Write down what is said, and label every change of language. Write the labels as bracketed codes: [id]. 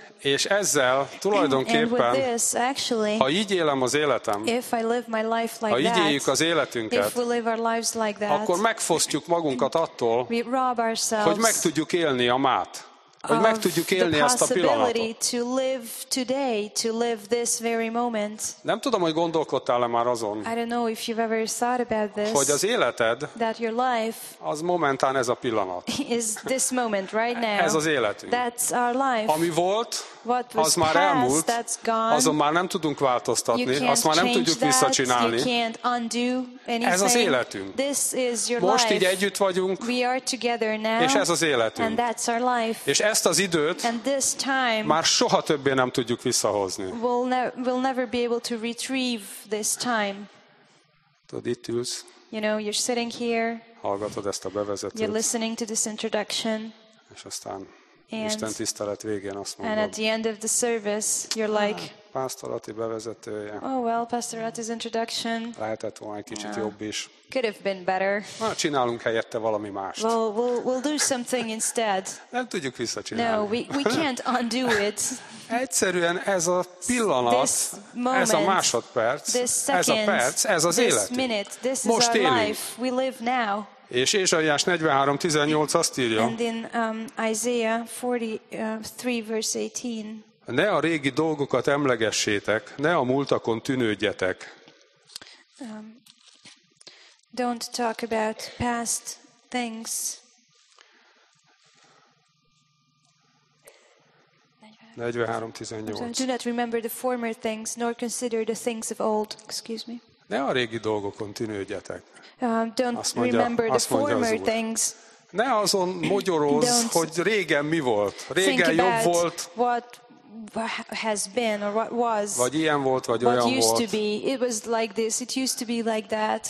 [hu] És ezzel tulajdonképpen, [en] and with this, actually, [hu] ha így élem az életem, [en] if I live my life like [hu] ha így éljük az életünket, [en] if we live our lives like that, [hu] akkor megfosztjuk magunkat attól, [en] we rob ourselves, [hu] hogy meg tudjuk élni a mát. hogy meg tudjuk élni ezt a pillanatot. [en] To live today, to live this very moment. [hu] Nem tudom, hogy gondolkodtál-e már azon, [en] I don't know if you've ever thought about this, [hu] hogy az életed, [en] that your life, [hu] az momentán ez a pillanat. [en] Is this moment right now. [hu] Ez az életünk. [en] That's our life. [hu] Ami volt, [en] what [hu] az már [en] past, [hu] elmúlt, [en] that's gone. [hu] Azon már nem tudunk változtatni, azt már nem tudjuk [en] that, [hu] visszacsinálni. [en] You can't undo anything. [hu] Ez az életünk. [en] This is your [hu] Most [en] life. [hu] Így együtt vagyunk, [en] we are together now, [hu] és ez az életünk. [en] And that's our life. [hu] És ezt az időt már soha többé nem tudjuk visszahozni. [en] We'll never be able to retrieve this time. [hu] Tudod, itt ülsz. [en] You know, you're sitting here. [hu] Hallgatod ezt a bevezetőt. [en] You're listening to this introduction. [hu] És aztán Isten tisztelet végén azt mondod. [en] And at the end of the service, you're like, [hu] Pastor Ati bevezetője. [en] Oh, well, Pastor Ati's introduction. [hu] Lehetett volna egy kicsit jobb is. [en] Could have been better. [hu] Na, csinálunk helyette valami mást. [en] Well, we'll do something instead. [hu] Nem tudjuk visszacsinálni. [en] No, we can't undo it. [hu] Egyszerűen ez a pillanat, [en] moment, [hu] ez a másodperc, [en] second, [hu] ez a perc, ez az élet. [en] Minute, this [hu] Most [en] is our [hu] élünk. [en] Life. We live now. [hu] És Ézsaiás 43:18 azt írja. [en] And in Isaiah 43:18. [hu] Ne a régi dolgokat emlegessétek, ne a múltakon tűnődjetek. [en] Don't talk about past things. [hu] 43:18. [en] Do not remember the former things, nor consider the things of old. Excuse me. [hu] Ne a régi dolgokon tűnődjetek. [en] Don't [hu] azt mondja, [en] remember [hu] azt mondja [en] the former things. [hu] Ne azon mogyorozz, hogy régen mi volt. Régen [en] think [hu] jobb [en] about [hu] volt. [en] What has been or what was. [hu] Vagy ilyen volt, vagy [en] what [hu] olyan [en] used [hu] volt. [en] To be. It was like this. It used to be like that.